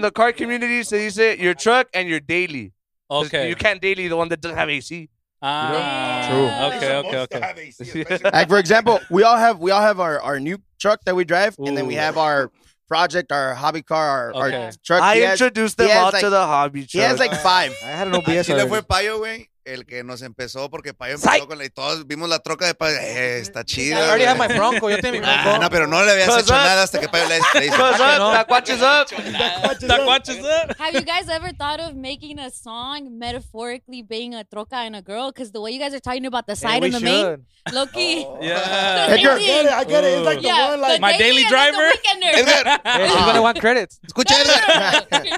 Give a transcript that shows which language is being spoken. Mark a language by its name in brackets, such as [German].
[English] the car community, so you say your truck and your daily. Okay. You can't daily the one that doesn't have AC. True. Okay. AC, like, for example, we all have our new truck that we drive, and then we have our project, our hobby car, our truck. I introduced them all to the hobby truck. He has like five. I had an OBS. [Spanish] Si le fue payo, güey, el que nos empezó, porque payo empezó con la, y todos vimos la troca de payo. Está chido. [English] I already have my Bronco. [Spanish] Yo tengo mi Bronco. No, pero no le habías hecho nada hasta que payo le hizo. [English] Tacuaches up. Have you guys ever thought of making a song metaphorically being a troca and a girl? Because the way you guys are talking about the side and the main. Loki. Yeah. Edgar. I get it. It's like the one, like my daily driver. Edgar. She's going to want credits. [Spanish] Escucha, Edgar.